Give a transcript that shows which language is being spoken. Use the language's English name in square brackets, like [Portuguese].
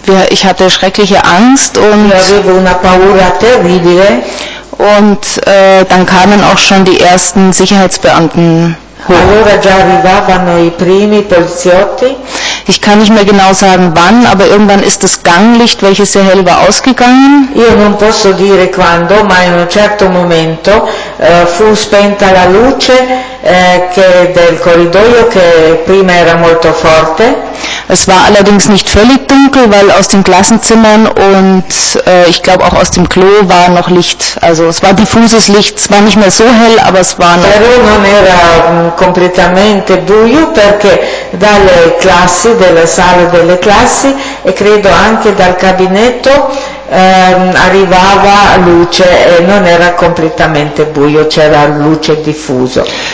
[German] Ich hatte schreckliche Angst und [Italian] avevo una paura terribile. [German] Und dann kamen auch schon die ersten Sicherheitsbeamten. [Italian] Allora già arrivavano i primi poliziotti. [German] Ich kann nicht mehr genau sagen wann, aber irgendwann ist das Ganglicht, welches sehr hell war, ausgegangen. [Italian] Io non posso dire quando, ma in un certo momento fu spenta la luce che del corridoio che prima era molto forte. [German] Es war allerdings nicht völlig dunkel, weil aus den Klassenzimmern und ich glaube auch aus dem Klo war noch Licht. Also es war diffuses Licht, es war nicht mehr so hell, aber es war noch. [Italian] Però non era completamente buio perché dalle classi, della sala delle classi e credo anche dal cabinetto arrivava luce e non era completamente buio, c'era luce diffuso.